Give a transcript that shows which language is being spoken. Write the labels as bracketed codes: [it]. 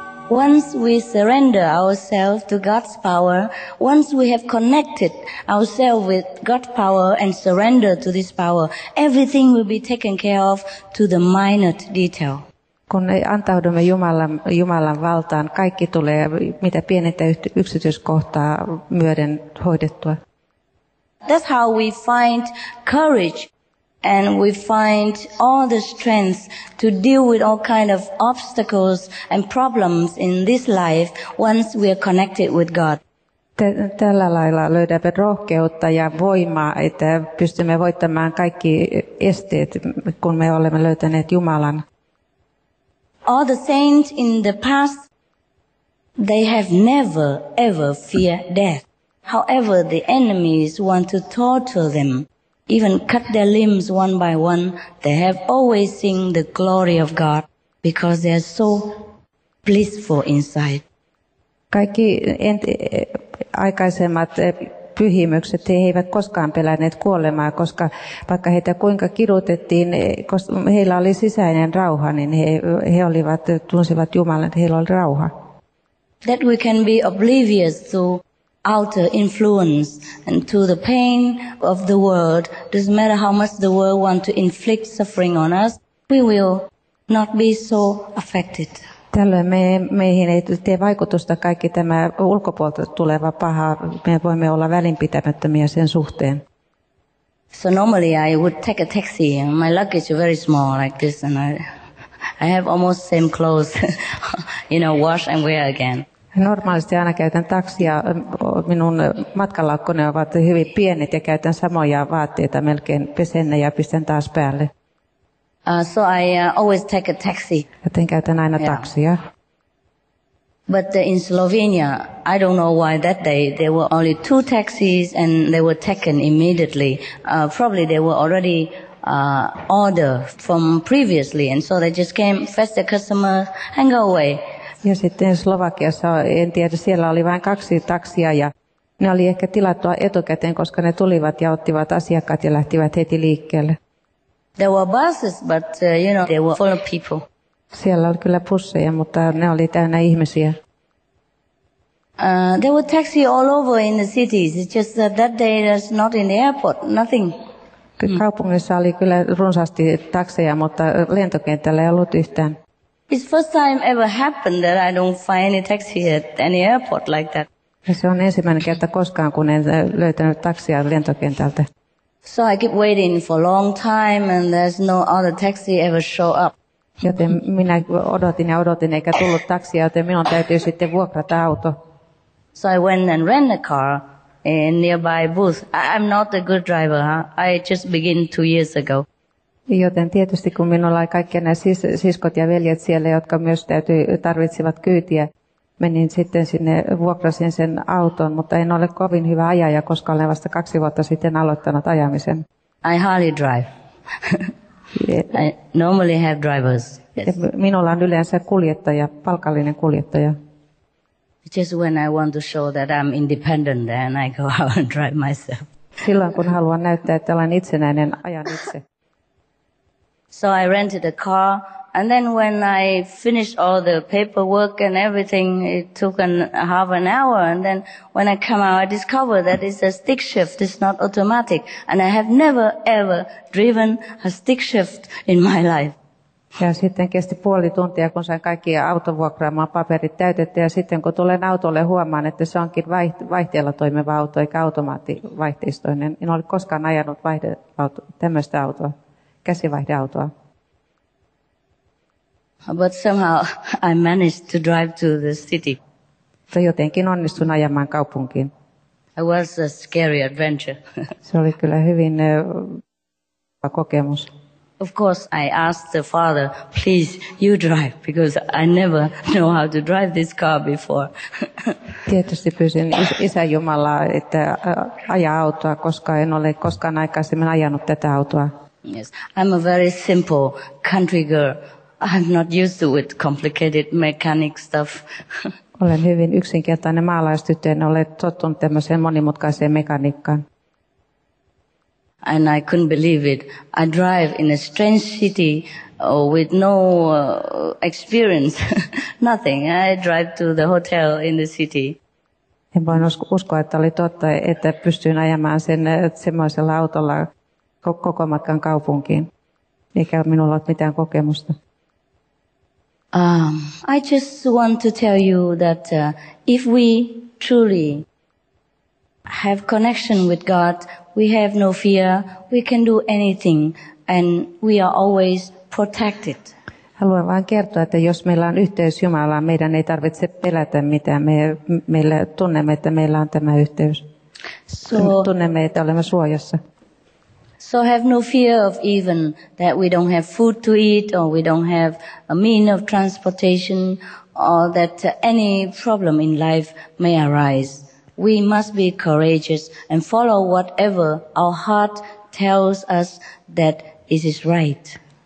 [en] Once we surrender ourselves to God's power, once we have connected ourselves with God's power and surrender to this power, everything will be taken care of to the minute detail. [fi] Kun antaudumme Jumalan valtaan, kaikki tulee mitä pienintä yksityiskohtaa myöden hoidettua. [en] That's how we find courage and we find all the strength to deal with all kind of obstacles and problems in this life once we are connected with God. [fi] Tällä lailla löydämme rohkeutta ja voimaa, että pystymme voittamaan kaikki esteet, kun me olemme löytäneet Jumalan. [en] All the saints in the past, they have never ever feared death. However, the enemies want to torture them, even cut their limbs one by one, they have always seen the glory of God because they are so blissful inside. [fi] Kaikki aikaisemmat pyhimykset, he eivät koskaan pelänneet kuolemaa, koska vaikka heitä kuinka kidutettiin, heillä oli sisäinen rauha, niin he olivat, tunsivat Jumalan, että heillä oli rauha. [en] That we can be oblivious to outer influence and to the pain of the world, doesn't matter how much the world want to inflict suffering on us, we will not be so affected. [fi] Tällöin meihin ei tee vaikutusta kaikki tämä ulkopuolelta tuleva paha. Me voimme olla välinpitämättömiä sen suhteen. [en] So normally I would take a taxi. My luggage is very small like this and I have almost same clothes, you know, wash and wear again. [fi] Normaalisti aina käytän taksia. Minun matkalaukkoni ovat hyvin pienet ja käytän samoja vaatteita melkein pesen ne ja pistän taas päälle. [en] So I always take a taxi. [fi] Joten käytän aina taksia. [en] Yeah. But in Slovenia, I don't know why that day there were only two taxis and they were taken immediately. Probably they were already ordered from previously and so they just came, fetch the customer and go away. [fi] Ja sitten Slovakiassa, en tiedä, siellä oli vain kaksi taksia ja ne oli ehkä tilattua etukäteen, koska ne tulivat ja ottivat asiakkaat ja lähtivät heti liikkeelle. [en] There were buses, but you know, they were full of people. [fi] Siellä oli kyllä busseja, mutta ne oli täynnä ihmisiä. [en] There were taxis all over in the cities. It's just that day there's not in the airport, nothing. [fi] Kaupungissa oli kyllä runsaasti takseja, mutta lentokentällä ei ollut yhtään. [en] It's first time ever happened that I don't find any taxi at any airport like that. [fi] Se on ensimmäinen kerta koskaan, kun en löytänyt taksia lentokentältä. [en] So I keep waiting for a long time and there's no other taxi ever show up. [fi] Joten minä odotin ja odotin, eikä tullut taksia, joten minun täytyy sitten vuokrata auto. [en] So I went and rent a car in nearby booth. I'm not a good driver, huh? I just began 2 years ago. [fi] Joten tietysti kun minulla oli kaikki nämä siskot ja veljet siellä, jotka myös tarvitsivat kyytiä, menin sitten sinne, vuokrasin sen auton, mutta en ole kovin hyvä ajaja, koska olen vasta 2 vuotta sitten aloittanut ajamisen. [en] I hardly drive. I normally have drivers. Yes. [fi] Minulla on yleensä kuljettaja, palkallinen kuljettaja. [en] Just when I want to show that I'm independent, then I go out and drive myself. [fi] Silloin kun haluan näyttää, että olen itsenäinen, ajan itse. [en] So I rented a car, and then when I finished all the paperwork and everything, it took half an hour, and then when I come out, I discovered that it's a stick shift, it's not automatic, and I have never ever driven a stick shift in my life. [fi] Ja sitten kesti puoli tuntia, kun sain kaikki autovuokraamaan paperit täytetty, ja sitten kun tulen autolle, huomaan, että se onkin vaihteella toimiva auto, eikä automaattivaihteistoinen. En ole koskaan ajanut tämmöistä autoa. Käsivaihdeautoa. [en] But somehow I managed to drive to the city. [fi] Se jotenkin onnistun ajamaan kaupunkiin. [en] It was a scary adventure. [fi] Se oli kyllä hyvin kokemus. [en] Of course I asked the father, please you drive because I never know how to drive this car before. [fi] Tietysti pyysin isän Jumalaa, että aja autoa, koska en ole koskaan aikaisemmin ajanut tätä autoa. [en] Yes, I'm a very simple country girl. I'm not used to it, complicated mechanic stuff. [fi] Olen hyvin yksinkertainen maalaistyttö, en ole tottunut tämmöiseen monimutkaiseen mekaniikkaan. [en] And I couldn't believe it. I drive in a strange city with no experience, nothing. I drive to the hotel in the city. [fi] En voi uskoa, että oli totta, että pystyin ajamaan sen semmoisella autolla koko matkan kaupunkiin, eikä minulla ole mitään kokemusta. [en] I just want to tell you that if we truly have connection with God, we have no fear, we can do anything, and we are always protected. [fi] Haluan vain kertoa, että jos meillä on yhteys Jumalaan, meidän ei tarvitse pelätä mitään. Meillä tunnemme, että meillä on tämä yhteys. [en] So, [fi] tunnemme, että olemme suojassa. [en] So have no fear of even that we don't have food to eat or we don't have a mean of transportation or that any problem in life may arise. We must be courageous and follow whatever our heart tells us that it is right.